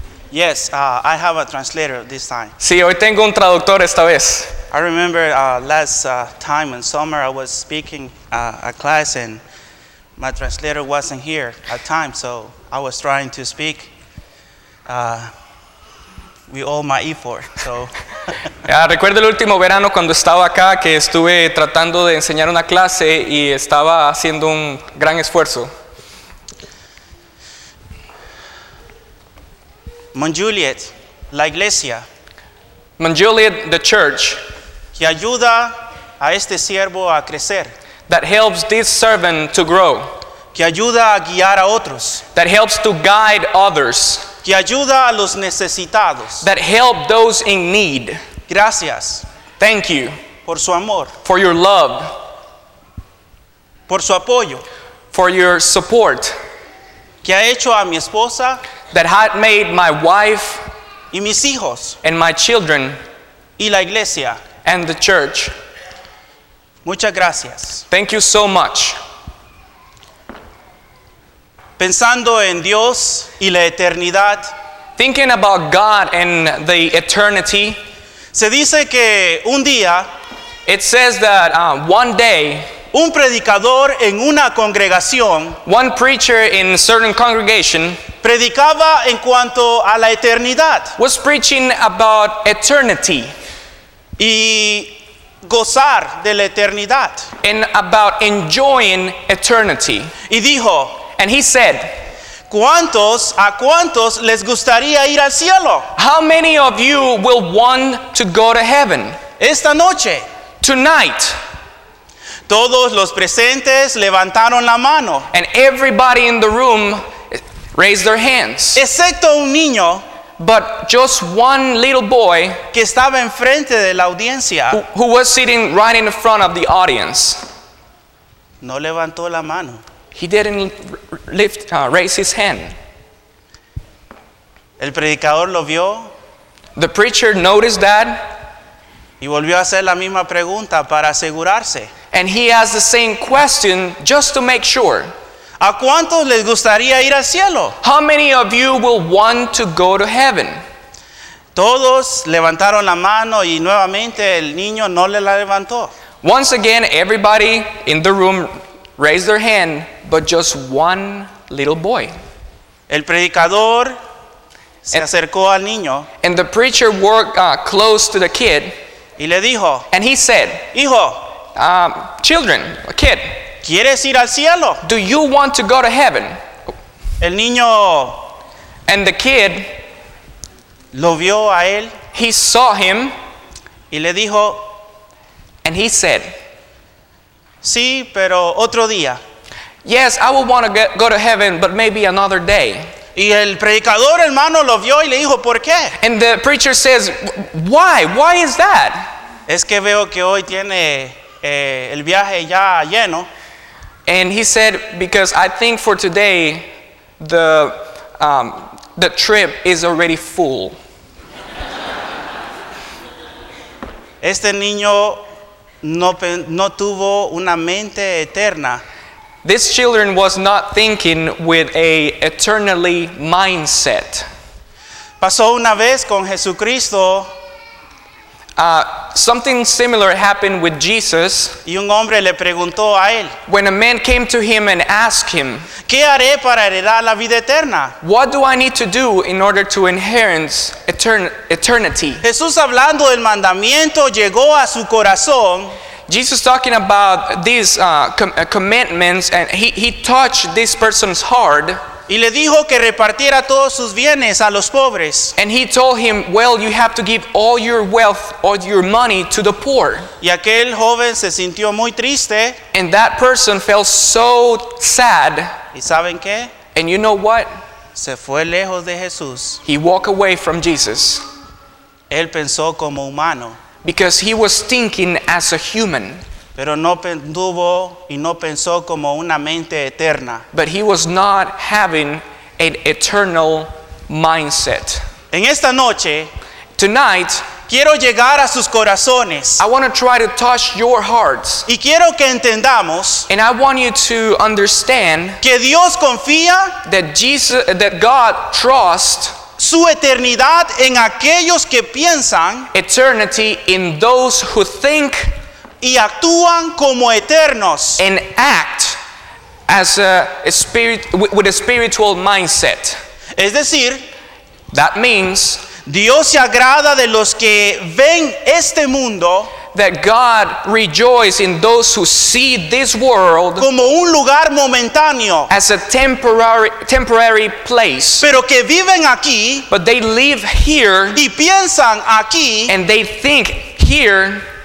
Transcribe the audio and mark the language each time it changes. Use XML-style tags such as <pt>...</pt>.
<en>Yes, I have a translator this time.</en> <es>Sí, hoy tengo un traductor esta vez.</es> <en>I remember last time in summer I was speaking a class and my translator wasn't here at time, so I was trying to speak with all my effort. So.</en> <es>Recuerdo el último verano cuando estaba acá que estuve tratando de enseñar una clase y estaba haciendo un gran esfuerzo. Mon Juliet, la iglesia.</es> <en>Mon Juliet, the church.</en> <es>Que ayuda a este siervo a crecer.</es> <en>That helps this servant to grow.</en> <es>Que ayuda a guiar a otros.</es> <en>That helps to guide others.</en> <es>Que ayuda a los necesitados.</es> <en>That help those in need.</en> <es>Gracias.</es> <en>Thank you.</en> <es>Por su amor.</es> <en>For your love.</en> <es>Por su apoyo.</es> <en>For your support.</en> <es>Que ha hecho a mi esposa.</es> <en>That had made my wife.</en> <es>Y mis hijos.</es> <en>And my children.</en> <es>Y la iglesia.</es> <en>And the church.</en> <es>Muchas gracias.</es> <en>Thank you so much.</en> <es>Pensando en Dios y la eternidad.</es> <en>Thinking about God and the eternity.</en> <es>Se dice que un día.</es> <en>It says that one day.</en> <es>Un predicador en una congregación.</es> <en>One preacher in a certain congregation.</en> <es>Predicaba en cuanto a la eternidad.</es> <en>Was preaching about eternity.</en> <es>Y gozar de la eternidad.</es> <en>And about enjoying eternity.</en> <es>Y dijo.</es> <en>And he said,</en> <es>¿cuántos, a cuántos les gustaría ir al cielo?</es> <en>How many of you will want to go to heaven?</en> <es>Esta noche.</es> <en>Tonight.</en> <es>Todos los presentes levantaron la mano.</es> <en>And everybody in the room raised their hands.</en> <es>Excepto un niño.</es> <en>But just one little boy.</en> <es>Que estaba enfrente de la audiencia.</es> <en>Who was sitting right in front of the audience.</en> <es>No levantó la mano.</es> <en>He didn't raise his hand.</en> <es>El predicador lo vio.</es> <en>The preacher noticed that.</en> <es>Y volvió a hacer la misma pregunta para asegurarse.</es> <en>And he asked the same question just to make sure.</en> <es>¿A cuántos les gustaría ir al cielo?</es> <en>How many of you will want to go to heaven?</en> <es>Todos levantaron la mano y nuevamente el niño no le la levantó.</es> <en>Once again, everybody in the room raised their hand, but just one little boy.</en> <es>El predicador se acercó al niño.</es> <en>And the preacher walked close to the kid.</en> <es>Y le dijo.</es> <en>And he said,</en> <es>hijo.</es> <en>Children, a kid.</en> <es>¿Quieres ir al cielo?</es> <en>Do you want to go to heaven?</en> <es>El niño.</es> <en>And the kid.</en> <es>Lo vio a él.</es> <en>He saw him.</en> <es>Y le dijo.</es> <en>And he said.</en> <es>Sí, pero otro día.</es> <en>Yes, I would want to go to heaven, but maybe another day.</en> <es>Y el predicador hermano lo vio y le dijo, ¿por qué?</es> <en>And the preacher says, why? Why is that?</en> <es>Es que veo que hoy tiene el viaje ya lleno.</es> <en>And he said, because I think for today, the trip is already full.</en> <es>Este niño no tuvo una mente eterna.</es> <en>This children was not thinking with a eternally mindset.</en> <es>Pasó una vez con Jesucristo.</es> <en>Something similar happened with Jesus.</en> <es>Y un hombre le preguntó a él.</es> <en>When a man came to him and asked him,</en> <es>¿qué haré para heredar la vida eterna?</es> <en>What do I need to do in order to inherit eternity?</en> <es>Jesús hablando del mandamiento llegó a su corazón.</es> <en>Jesus talking about these commandments, and he touched this person's heart.</en> <es>Y le dijo que repartiera todos sus bienes a los pobres.</es> <en>And he told him, well, you have to give all your wealth, all your money to the poor.</en> <es>Y aquel joven se sintió muy triste.</es> <en>And that person felt so sad.</en> <es>¿Y saben qué?</es> <en>And you know what?</en> <es>Se fue lejos de Jesús.</es> <en>He walked away from Jesus.</en> <es>Él pensó como humano.</es> <en>Because he was thinking as a human.</en> <es>Pero no tuvo y no pensó como una mente eterna.</es> <en>But he was not having an eternal mindset.</en> <es>En esta noche,</es> <en>tonight,</en> <es>Quiero llegar a sus corazones.</es> <en>I want to try to touch your hearts.</en> <es>Y quiero que entendamos.</es> <en>And I want you to understand.</en> <es>Que Dios confía.</es> <en>That God trusts.</en> <es>Su eternidad en aquellos que piensan.</es> <en>Eternity in those who think.</en> <es>Y actúan como eternos.</es> <en>And act as with a spiritual mindset.</en> <es>Es decir,</es> <en>that means.</en> <es>Dios se agrada de los que ven este mundo.</es> <en>That God rejoices in those who see this world</en> <es>como un lugar momentáneo,</es> <en>as a temporary place,</en> <es>pero que viven aquí,</es> <en>but they live here</en> <es>y piensan aquí,</es> <en>and they think here</en>